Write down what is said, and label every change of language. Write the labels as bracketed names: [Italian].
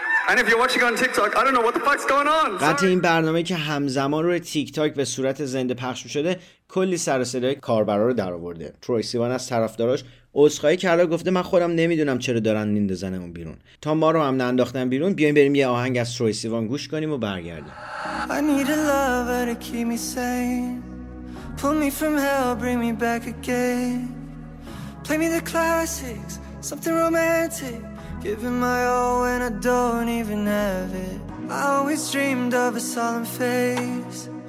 [English] And if you're watching on TikTok, I don't know what the fuck's going on. [Persian] قطع این برنامه که همزمان روی TikTok به صورت زنده پخش شده کلی سر و صدای کاربرا رو درآورده. تروی سیوان از طرفداراش عذرخواهی کرده و گفته من خودم نمیدونم چرا دارن میندازنمون بیرون. تا ما رو هم ننداختن بیرون بیایم بریم یه آهنگ از تروی سیوان گوش کنیم و برگردیم. [English] I need a lover to keep me sane. Pull me from hell, bring me back again. Play me the classics, something romantic. Giving my all when I don't even have it. I always dreamed of a solemn face.